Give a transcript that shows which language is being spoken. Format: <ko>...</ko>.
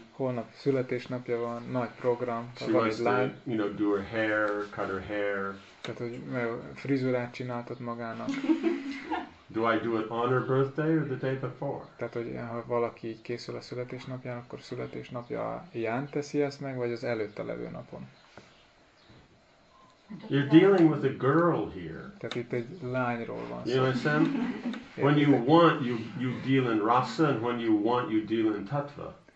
<hu>Holnap születésnapja van, nagy program.</hu> <en>She wants to, you know, do her hair, cut her hair.</en> <hu>Tehát, hogy frizurát csináltat magának.</hu> <en>Do I do it on her birthday or the day before?</en> <hu>Tehát, hogy ha valaki így készül a születésnapján, akkor születésnapja ján teszi ezt meg, vagy az előtte levő napon?</hu> <en>You're dealing with a girl here.</en> <hu>Tehát itt egy lányról van szó.</hu> <en>You understand? When you want, you deal in rasa, and when you want, you deal in tattva.</en>